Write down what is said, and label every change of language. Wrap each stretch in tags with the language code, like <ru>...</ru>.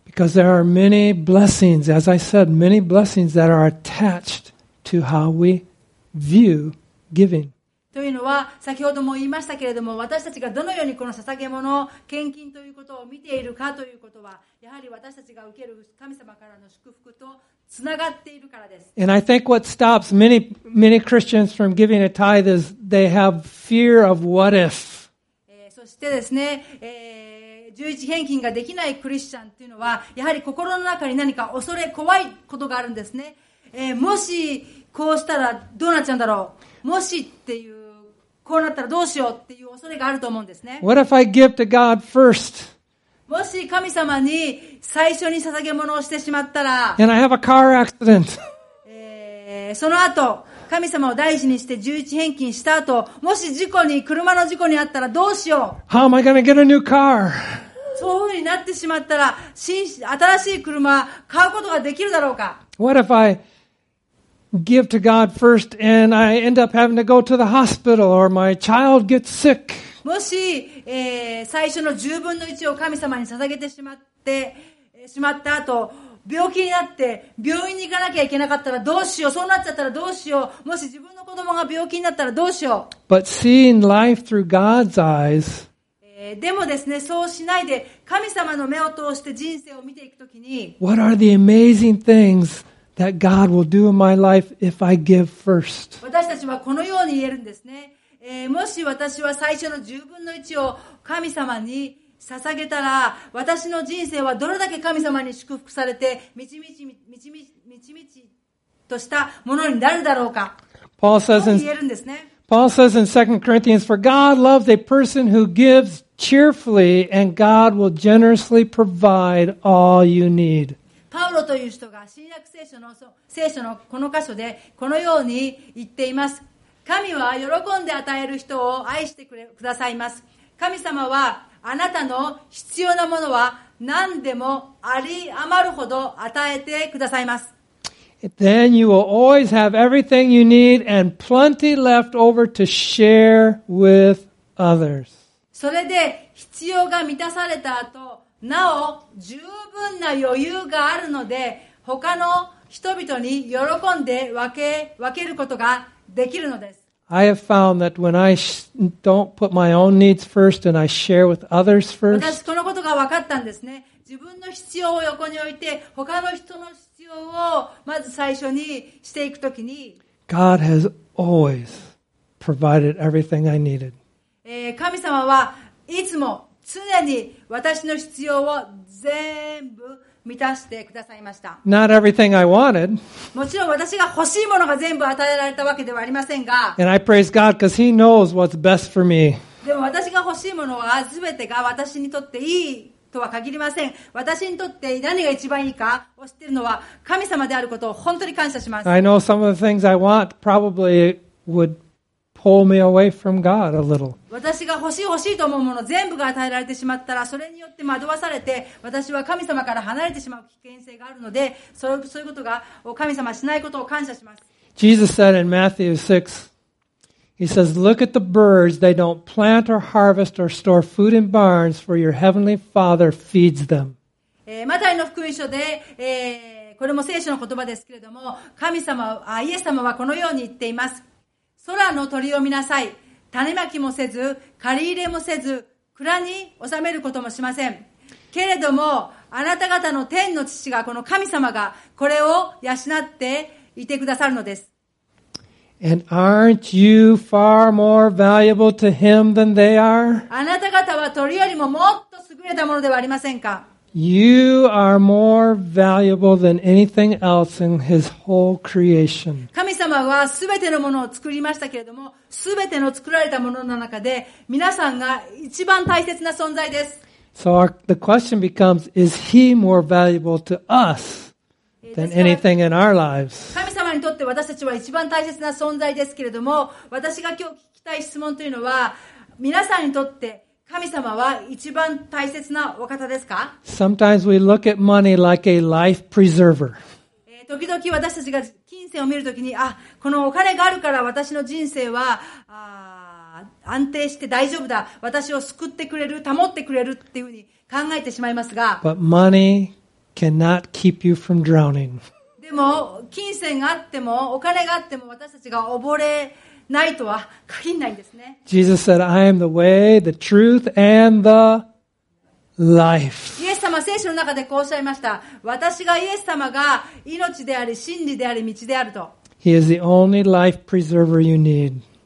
<en>Because there are many blessings, as I said, many blessings that are attached to how we view giving.</en> <ja>というのは先ほども言いましたけれども私たちがどのようにこの捧げ物を献金ということを見ているかということはやはり私たちが受ける神様からの祝福とつながっているからです。</ja> <en>And I think what stops many, many Christians from giving a tithe is they have fear of what if.</en> <ja>そしてですね、十一返金ができないクリスチャンというのはやはり心の中に何か恐れ怖いことがあるんですね。もしこうしたらどうなっちゃうんだろう。もしっていうこうなったらどうしようっていう恐れがあると思うんですね。</ja> <en>What if I give to God first?</en> <ja>もし神様に最初に捧げ物をしてしまったら、</ja> <en>And I have a car accident.</en> <ja>その後神様を大事にして十一返金した後、もし事故に車の事故にあったらどうしよう。</ja> <en>How am I gonna get a new car?</en> <ja>そういうふうになってしまったら新しい車買うことができるだろうか。</ja> <en>What if I give to God first and I end up having to go to the hospital or my child gets sick.</en> <ja>もし、最初の十分の一を神様に捧げてしまった後、病気になって病院に行かなきゃいけなかったらどうしよう。そうなっちゃったらどうしよう。もし自分の子供が病気になったらどうしよう。</ja> <en>But seeing life through God's eyes.</en> <ja>でもですね、そうしないで神様の目を通して人生を見ていくときに、</ja> <en>What are the amazing things? That God will do in my life if I give first.</en> <ja>私たちはこのように言えるんですね。もし私は最初の十分の一を神様に捧げたら、私の人生はどれだけ神様に祝福されて、満ち満ち満ち満ちとしたものになるだろうか。</ja> <en>Paul says in,</en> <ja>言えるんですね。</ja> <en>Paul says in 2 Corinthians, For God loves a person who gives cheerfully, and God will generously provide all you need.</en> <ja>パウロという人が新約聖書の、聖書のこの箇所でこのように言っています。神は喜んで与える人を愛してくださいます。神様はあなたの必要なものは何でもあり余るほど与えてくださいます。</ja> <en>Then you will always have everything you need and plenty left over to share with others.</en> <ja>それで必要が満たされた後、なお十分な余裕があるので、他の人々に喜んで分けることができるのです。</ja> <en>I have found that when I don't put my own needs first and I share with others first.</en> <ja>私このことが分かったんですね。自分の必要を横に置いて、他の人の必要をまず最初にしていくときに、</ja> <en>God has always provided everything I needed.</en> <ja>神様はいつも常に私の必要を全部満たしてくださいました。</ja> <en>Not everything I wanted.</en> <ja>もちろん私が欲しいものが全部与えられたわけではありませんが、</ja> <en>And I praise God because He knows what's best for me.</en> <ja>でも私が欲しいものは全てが私にとっていいとは限りません。私にとって何が一番いいかを知っているのは神様であることを本当に感謝します。</ja> <en>I know some of the things I want probably would pull me away from God a little.</en> <ja>私が欲しい欲しいと思うもの全部が与えられてしまったら、それによって惑わされて私は神様から離れてしまう危険性があるので、そういうことが神様しないことを感謝します。</ja> <en>Jesus said in Matthew 6, He says, Look at the birds, they don't plant or harvest or store food in barns, for your heavenly Father feeds them.</en> <ja>マタイの福音書で、これも聖書の言葉ですけれども、イエス様はこのように言っています。空の鳥を見なさい。種まきもせず、刈り入れもせず、蔵に収めることもしません。けれども、あなた方の天の父が、この神様が、これを養っていてくださるのです。</ja> <en>And aren't you far more valuable to him than they are?</en> <ja>あなた方は鳥よりももっと優れたものではありませんか?</ja> <en>You are more valuable than anything else in his whole creation.</en> <ja>神様はすべてのものを作りましたけれども、すべての作られたものの中で、皆さんが一番大切な存在です。</ja> <en>So the question becomes, is he more valuable to us than anything in our lives?</en> <ja>神様にとって私たちは一番大切な存在ですけれども、私が今日聞きたい質問というのは、皆さんにとって神様は一番大切なお方ですか?</ja> <en>Sometimes we look at money like a life preserver.</en> <ja>時々私たちが金銭を見るときに、あ、このお金があるから私の人生は安定して大丈夫だ、私を救ってくれる、保ってくれるっていうふうに考えてしまいますが、</ja> <en>But money cannot keep you from drowning.</en> <ja>でも金銭があってもお金があっても私たちが溺れないとは限らないんですね。</ja> <en>Jesus said, I am the way, the truth, and the life.</en> <ja>イエス様は聖書の中でこうおっしゃいました。私がイエス様が命であり、真理であり、道であると。</ja> <en>He is the only life preserver you need.</en>